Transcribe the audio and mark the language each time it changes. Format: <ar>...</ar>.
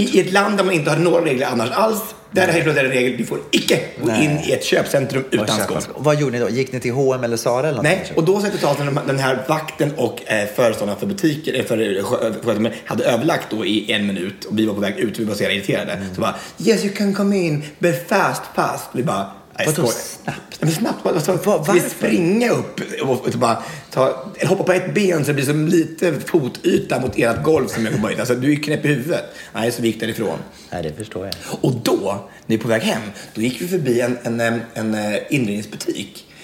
<sv>I ett land där man inte har några regler annars alls, där är det en regel, du får icke gå in i ett köpcentrum utan skor. Vad gjorde ni då? Gick ni till H&M eller Zara eller något? Nej, och då sa jag till talet den här vakten och föreståndaren för butiker, för hade överlagt då i en minut, och vi var på väg ut, vi var så irriterade. Mm. Så bara,</sv> <en>yes you can come in, but fast pass.</en> <sv>Vi bara, vadå snabbt? Men snabbt, alltså, vi springer upp och bara hoppa på ett ben så det blir som lite fotyta mot ert golv som jag kommer in. Alltså, du är knäpp i huvudet. Nej, så vi gick därifrån. Nej, det förstår jag. Och då, när vi är på väg hem, då gick vi förbi en inredningsbutik.</sv>